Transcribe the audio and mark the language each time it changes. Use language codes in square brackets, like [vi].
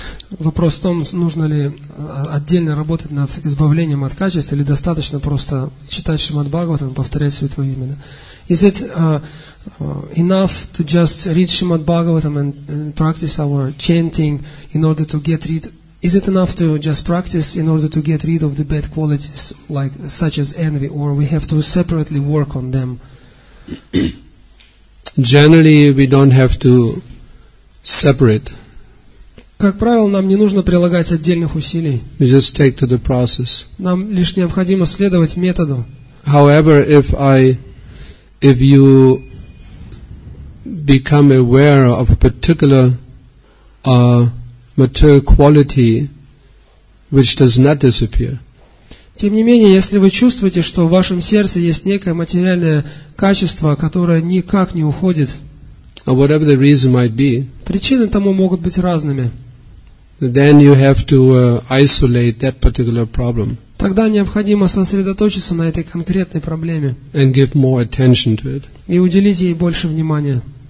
[ru] Вопрос в том, нужно ли отдельно работать над избавлением от качеств, или достаточно просто читать Шримад Бхагаватам, повторять Святое Имя. Да? [en] Is it enough to just read Shrimad Bhagavatam and practice our chanting in order to get rid? Is it enough to just practice in order to get rid of the bad qualities, like such as envy, or we have to separately work on them? Generally, we don't have to separate. [ru] Как правило, нам не нужно прилагать отдельных усилий. [en] We just take to the process. [ru] Нам лишь необходимо следовать методу. [en] However, if you become aware of a particular material quality which does not disappear. [ru] Тем не менее, если вы чувствуете, что в вашем сердце есть некое материальное качество, которое никак не уходит, [en] or whatever the reason might be, [ru] причины тому могут быть разными. [en] Then you have to isolate that particular problem. [ru] Тогда необходимо сосредоточиться на этой конкретной проблеме. [en] And give more attention to it. [ru] И уделить ей больше внимания.